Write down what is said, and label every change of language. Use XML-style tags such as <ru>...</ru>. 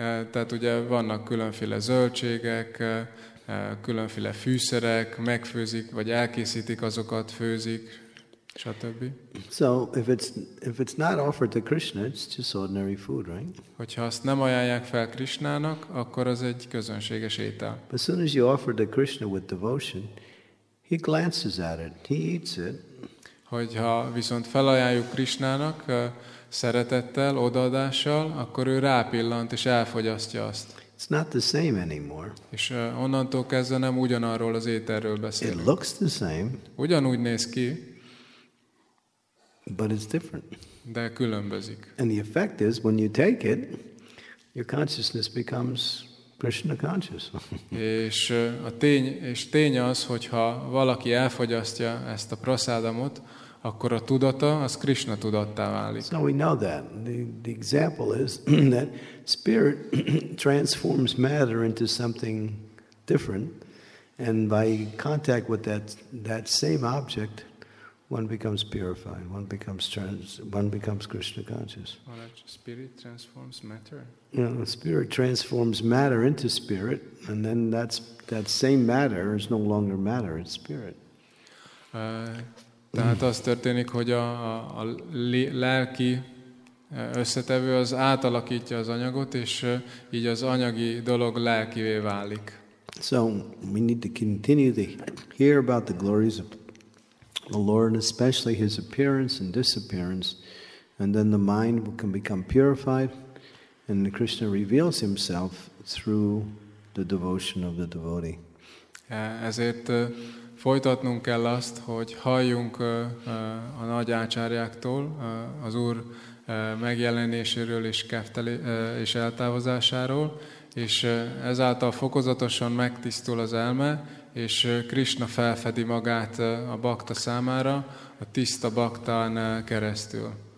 <hu>Tehát ugye vannak különféle zöldségek, különféle fűszerek, megfőzik, vagy elkészítik azokat, főzik. stb.</hu> <en>So if it's not offered to Krishna, it's just ordinary food, right?</en> <hu>Hogyha azt nem ajánlják fel Krishnának, akkor az egy közönséges étel.</hu> <en>But as soon as you offer to Krishna with devotion, he glances at it, he eats it.</en> <hu>Hogyha viszont felajánljuk Krishnának szeretettel, odaadással, akkor ő rápillant és elfogyasztja azt.</hu> <en>It's not the same anymore.</en> <hu>És onnantól kezdve nem ugyanarról az ételről beszélünk.</hu> <en>It looks the same.</en> <hu>Ugyanúgy néz ki.</hu> <en>But it's different.</en> <hu>De különbözik.</hu> <en>And the effect is, when you take it, your consciousness becomes Krishna conscious.</en> <hu>És a tény, és tény az, hogyha valaki elfogyasztja ezt a prasádamot, akkor a tudata az Krishna tudattá válik.</hu> <en>So we know that. The example is that spirit transforms matter into something different, and by contact with that same object, one becomes purified, one becomes Krishna conscious. Well, spirit transforms matter. You know, spirit transforms matter into spirit, and then that same matter is no longer matter, it's spirit.</en> <hu>Tehát az történik, hogy a lelki összetevő az átalakítja az anyagot, és így az anyagi dolog lelkivé válik.</hu> <en>So we need to continue to hear about the glories of the Lord, especially his appearance and disappearance, and then the mind can become purified, and Krishna reveals himself through the devotion of the devotee.</en> <hu>Ezért folytatnunk kell azt, hogy halljunk a nagy ácsárjáktól, az Úr megjelenéséről és és eltávozásáról, és ezáltal fokozatosan megtisztul az elme, és Krishna felfedi magát a bakta számára, a tiszta baktán keresztül.</hu>